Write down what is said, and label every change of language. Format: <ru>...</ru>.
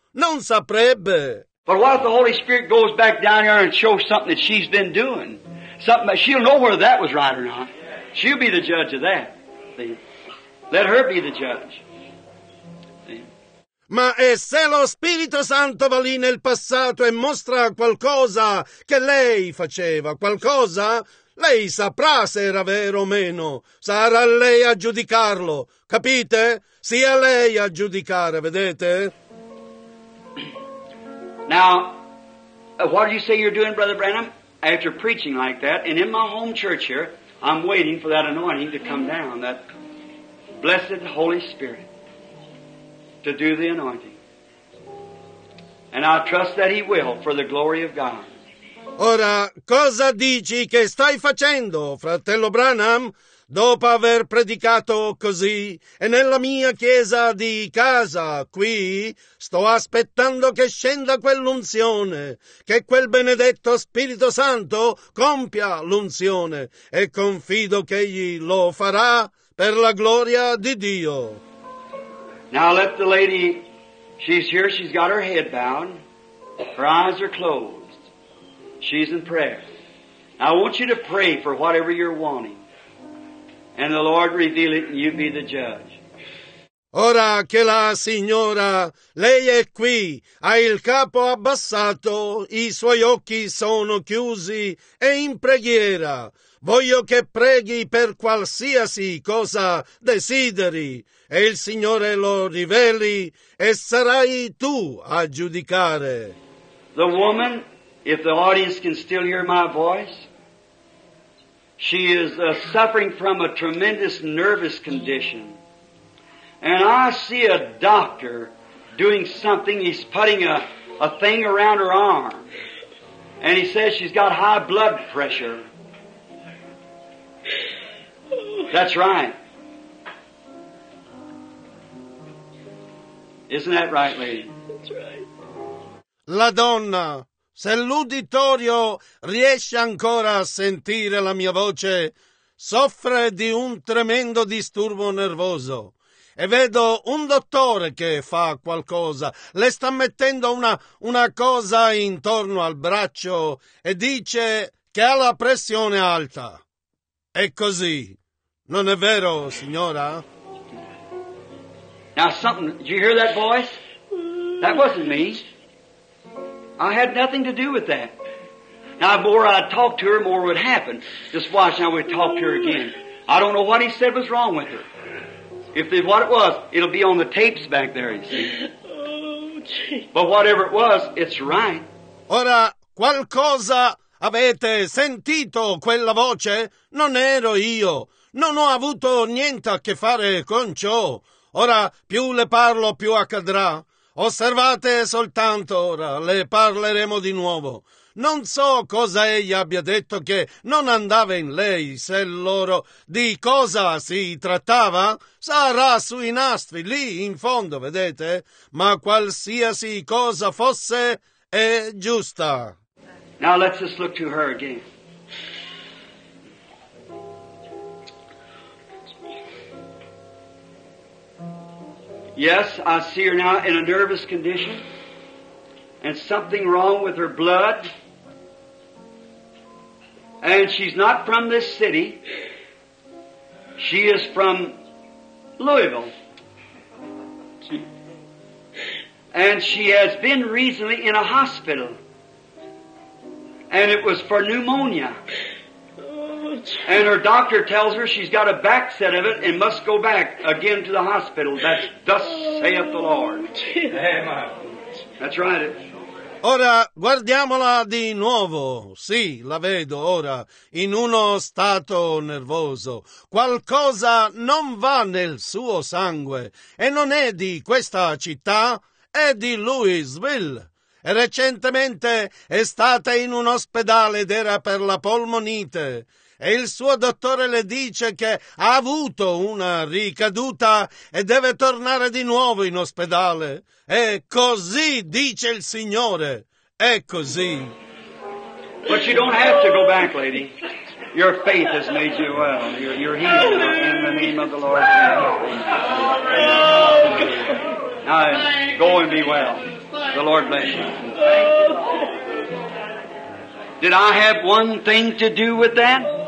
<it>Non saprebbe.</it> <en>But what if the Holy Spirit goes back down here and shows something that she's been doing? Something she'll know whether that was right or not. She'll be the judge of that. Let her be the judge.</en> <it>Ma e se lo Spirito Santo va lì nel passato e mostra qualcosa che lei faceva, qualcosa, lei saprà se era vero o meno. Sarà lei a giudicarlo, capite? Sia lei a giudicare, vedete?</it> <en>Now, what do you say you're doing, Brother Branham? After preaching like that, and in my home church here, I'm waiting for that anointing to come down, that blessed Holy Spirit. To do the anointing. And I trust that he will for the glory of God.</en> <it>Ora, cosa dici che stai facendo, fratello Branham, dopo aver predicato così, e nella mia chiesa di casa qui, sto aspettando che scenda quell'unzione, che quel benedetto Spirito Santo compia l'unzione, e confido che egli lo farà per la gloria di Dio.</it> <en>Now let the lady, she's here, she's got her head bowed, her eyes are closed, she's in prayer. Now I want you to pray for whatever you're wanting, and the Lord reveal it and you be the judge.</en> <it>Ora che la signora, lei è qui, ha il capo abbassato, i suoi occhi sono chiusi, è in preghiera. Voglio che preghi per qualsiasi cosa desideri, e il Signore lo riveli, e sarai tu a giudicare.</it> <en>The woman, if the audience can still hear my voice, she is suffering from a tremendous nervous condition. And I see a doctor doing something, he's putting a thing around her arm. And he says she's got high blood pressure. That's right. Isn't that right, lady? That's right.</en> <it>La donna, se l'uditorio riesce ancora a sentire la mia voce, soffre di un tremendo disturbo nervoso. E vedo un dottore che fa qualcosa, le sta mettendo una cosa intorno al braccio e dice che ha la pressione alta. È così. Non è vero, signora?</it> <en>Now something, did you hear that voice? That wasn't me. I had nothing to do with that. Now the more I talked to her, the more would happen. Just watch now, we talk to her again. I don't know what he said was wrong with her. If it, what it was, it'll be on the tapes back there, you see. Oh, gee. But whatever it was, it's right.</en> <it>Ora, qualcosa avete sentito quella voce? Non ero io. Non ho avuto niente a che fare con ciò. Ora, più le parlo, più accadrà. Osservate soltanto ora, le parleremo di nuovo. Non so cosa egli abbia detto che non andava in lei, se loro di cosa si trattava. Sarà sui nastri, lì in fondo, vedete? Ma qualsiasi cosa fosse, è giusta.</it> <en>Now let's just look to her again. Yes, I see her now in a nervous condition. And something wrong with her blood. And she's not from this city. She is from Louisville. And she has been recently in a hospital. And it was for pneumonia. And her doctor tells her she's got a back set of it and must go back again to the hospital. That's thus saith the Lord. That's right.</en> <it>Ora, guardiamola di nuovo. Sì, la vedo ora, in uno stato nervoso. Qualcosa non va nel suo sangue. E non è di questa città, è di Louisville. E recentemente è stata in un ospedale ed era per la polmonite. E il suo dottore le dice che ha avuto una ricaduta e deve tornare di nuovo in ospedale. E così dice il Signore. È così.</it> <en>But you don't have to go back, lady. Your faith has made you well. You're healed in the name of the Lord. Now go and be well. The Lord bless you. Did I have one thing to do with that?</en>